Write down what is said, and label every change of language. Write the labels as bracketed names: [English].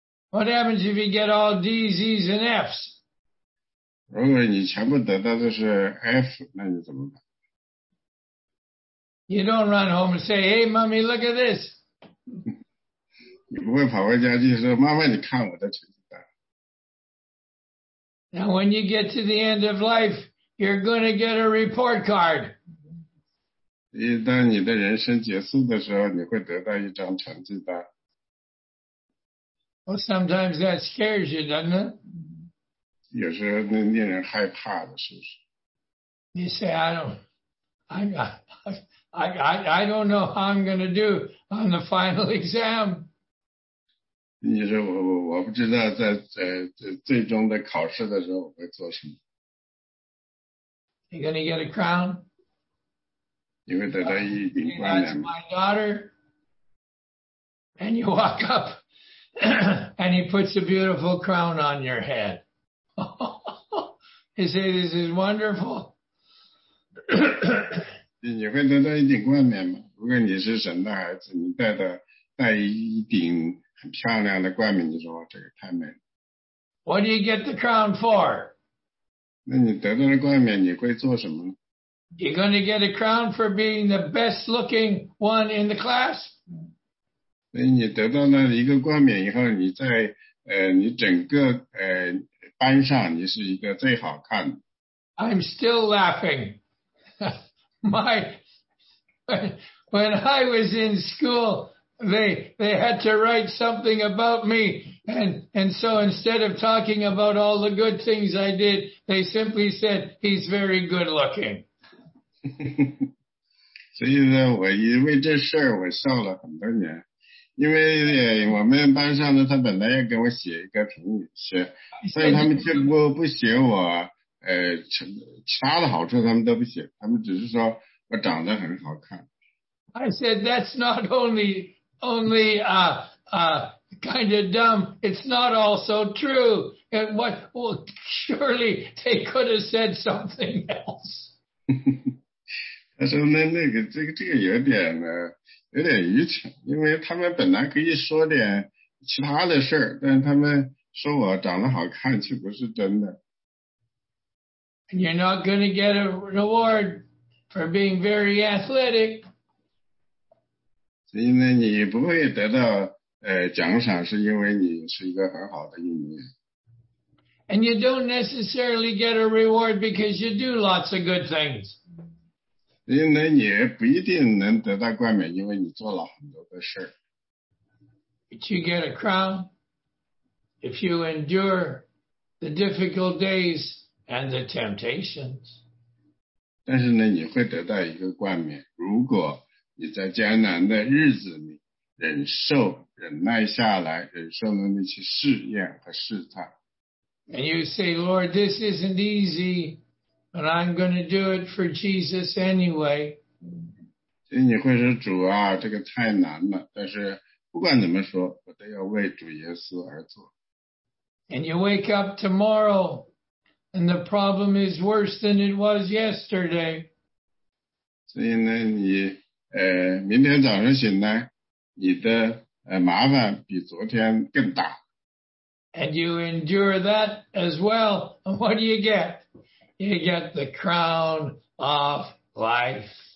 [English] What happens if you get all D's, E's, and F's? [Chinese] 如果你全部得到的是 F, 那你怎么办? [English] You don't run home and say, hey, mommy, look at this. [Chinese] 你不会跑回家去说,妈妈,你看我的成绩单。 [English] Now, when you get to the end of life, you're going to get a report card. [Chinese] 当你的人生结束的时候,你会得到一张成绩单。 [English] Well, sometimes that scares you, doesn't it? [Chinese] 有时候那令人害怕的是不是? [English] You say, I don't know how I'm going to do on the final exam. [Chinese] 你说我不知道在最终的考试的时候我会做什么。 [English] You're going to get a crown? [Chinese] 你会得到一顶冠冕。 [English] That's my daughter. And you walk up. And he puts a beautiful crown on your head. He says, this is wonderful. [Chinese] 你会得到一顶冠冕吗？如果你是神的孩子，你戴一顶很漂亮的冠冕，你说这个太美了。 [English] What do you get the crown for? [Chinese] 那你得到了冠冕，你会做什么呢？ [English] You're going to get a crown for being the best looking one in the class. [Chinese] 所以你得到了一个冠冕以后，你在你整个班上，你是一个最好看的。 [English] I'm still laughing. When I was in school, they had to write something about me, and so instead of talking about all the good things I did, they simply said, he's very good looking. [Chinese] 所以呢，我因为这事儿我笑了很多年，因为我们班上呢，他本来要给我写一个评语，所以他们就不写我。其他的好处他们都不写，他们只是说我长得很好看。 [English] I said that's not only kind of dumb. It's not also true. And what? Well, surely they could have said something else. [Chinese] 他说那个这个有点愚蠢，因为他们本来可以说点其他的事儿，但他们说我长得好看却不是真的。 [English] And you're not going to get a reward for being very athletic. [Chinese] 所以呢，你不会得到奖赏，是因为你是一个很好的运动员。 [English] And you don't necessarily get a reward because you do lots of good things. [Chinese] 所以呢，你不一定能得到冠冕，因为你做了很多的事。 [English] But you get a crown if you endure the difficult days. And the temptations. [Chinese] 但是呢，你会得到一个冠冕，如果你在艰难的日子里忍耐下来，忍受了那些试验和试探。 [English] And you say, Lord, this isn't easy, but I'm going to do it for Jesus anyway. [Chinese] 所以你会说，主啊，这个太难了，但是不管怎么说，我都要为主耶稣而做。 [English] And you wake up tomorrow. And the problem is worse than it was yesterday. [Chinese] 所以呢，你明天早上醒来，你的麻烦比昨天更大。 [English] And you endure that as well. And what do you get? You get the crown of life.